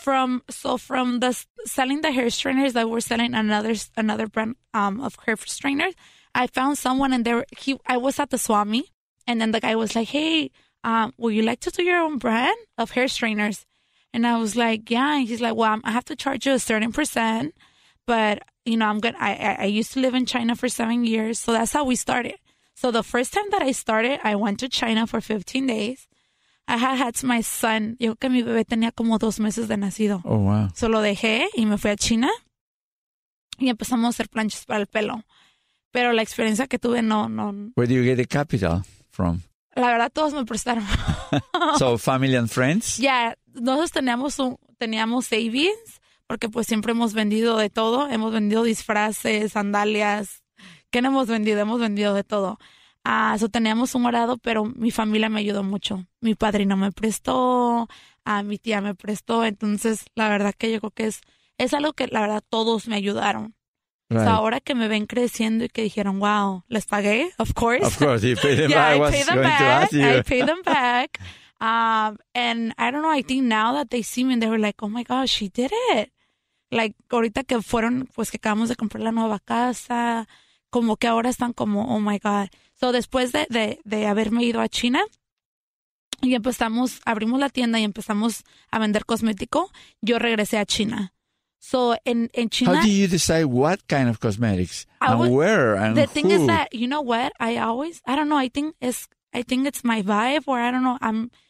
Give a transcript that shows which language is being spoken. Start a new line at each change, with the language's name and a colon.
English: From the selling the hair straighteners that were selling another brand of hair straighteners, I found someone and I was at the Swami, and then the guy was like, "Hey, would you like to do your own brand of hair straighteners?" And I was like, "Yeah." And he's like, "Well, I have to charge you a certain percent, but." You know, I used to live in China for 7 years. So that's how we started. So the first time that I started, I went to China for 15 days. I had my son.
Spanish: Yo que mi bebé tenía como 2 meses de nacido.
English: Oh, wow.
Spanish: So lo dejé y me fui a China. Y empezamos a hacer planchas para el pelo. Pero la experiencia que tuve no.
English: Where do you get the capital from?
Spanish: La verdad, todos me prestaron.
English: So family and friends?
Spanish: Yeah. Nosotros teníamos savings. Porque pues siempre hemos vendido de todo. Hemos vendido disfraces, sandalias. ¿Qué no hemos vendido? Hemos vendido de todo. So teníamos un horado, pero mi familia me ayudó mucho. Mi padrino me prestó, mi tía me prestó. Entonces, la verdad que yo creo que es algo que la verdad todos me ayudaron.
English: Right.
Spanish: So ahora que me ven creciendo y que dijeron, wow, les pagué,
English: of course. Of course, you paid them back. I paid them back. And I don't know, I think now that they see me and they were like, oh my gosh, she did it.
Spanish: Like, ahorita que fueron, pues que acabamos de comprar la nueva casa, como que ahora están como,
English: oh my God.
Spanish: So después de haberme ido a China y abrimos la tienda y empezamos a vender cosmético, yo regresé a China.
English: So in China, how do you decide what kind of cosmetics thing is that, you know what? I think it's my vibe or I don't know.